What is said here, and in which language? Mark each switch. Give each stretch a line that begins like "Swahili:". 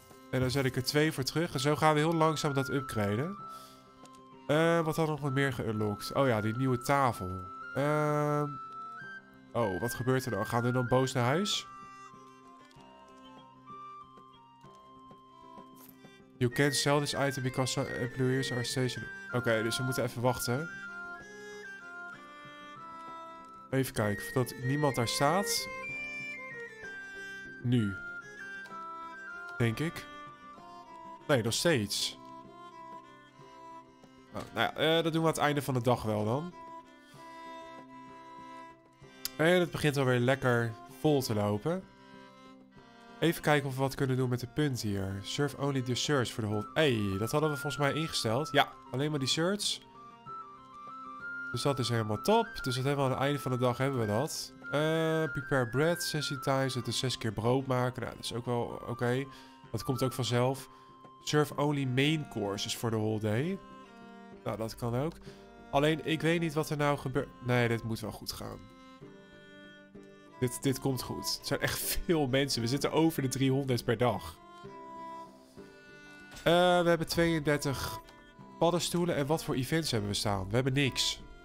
Dutch: En dan zet ik er 2 voor terug. En zo gaan we heel langzaam dat upgraden. Wat hadden we nog meer geunlocked? Oh ja, die nieuwe tafel. Oh, wat gebeurt er dan? Gaan we dan boos naar huis?
English: You can't sell this item because some employers are stationed.
Dutch: Oké, dus we moeten even wachten. Even kijken, voordat niemand daar staat. Nu. Denk ik. Nee, nog steeds. Nou ja, dat doen we aan het einde van de dag wel dan. En het begint alweer lekker vol te lopen. Even kijken of we wat kunnen doen met de punt hier.
English: Serve only the search for the whole...
Dutch: Hey, dat hadden we volgens mij ingesteld. Ja, alleen maar die search. Dus dat is helemaal top. Dus dat hebben we aan het einde van de dag hebben we dat.
English: Prepare bread, sensitize,
Dutch: dus 6 keer brood maken. Nou, dat is ook wel oké. Okay. Dat komt ook vanzelf.
English: Serve only main courses for the whole day.
Dutch: Nou, dat kan ook. Alleen, ik weet niet wat er nou gebeurt. Nee, dit moet wel goed gaan. Dit komt goed. Het zijn echt veel mensen. We zitten over de 300 per dag. We hebben 32 paddenstoelen. En wat voor events hebben we staan? We hebben niks.